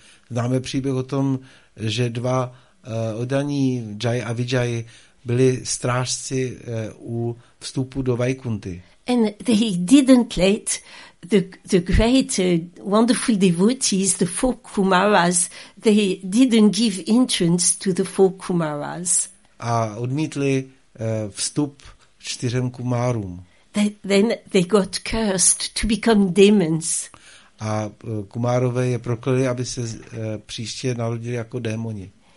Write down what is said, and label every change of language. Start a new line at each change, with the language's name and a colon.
Czech: Známe příběh o tom, že dva oddaní Jai a Vijay byli strážci u vstupu do Vaikunty.
English: And they didn't let the great wonderful devotees, the four Kumaras, they didn't give entrance to the four Kumaras.
Czech: A odmítli vstup čtyřem Kumárům.
English: Then they got cursed to become demons.
Czech: A Kumárové je prokleli, aby se příště narodili jako démoni.